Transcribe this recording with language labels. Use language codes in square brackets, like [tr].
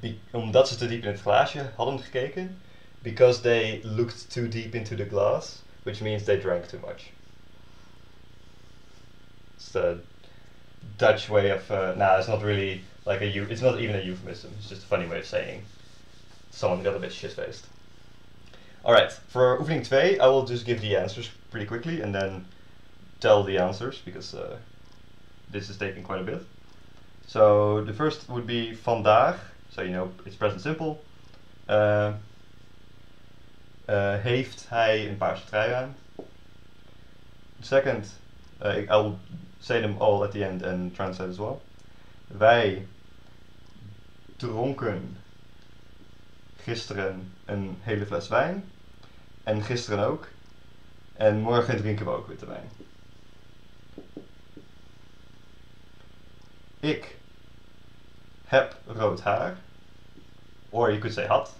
[nl] Omdat ze te diep in het glaasje hadden gekeken. [en] Because they looked too deep into the glass, which means they drank too much. It's the Dutch way of... Nah, it's not really like a... It's not even a euphemism. It's just a funny way of saying someone got a bit shit-faced. Alright, for oefening 2, I will just give the answers pretty quickly and then tell the answers because this is taking quite a bit. So the first would be vandaag, so you know it's present simple. [nl] Heeft hij een paarse trui aan? [en] The second, I'll say them all at the end and translate as well. [nl] Wij dronken gisteren een hele fles wijn. En gisteren ook. En morgen drinken we ook witte wijn. Ik heb rood haar. [en] Or you could say had.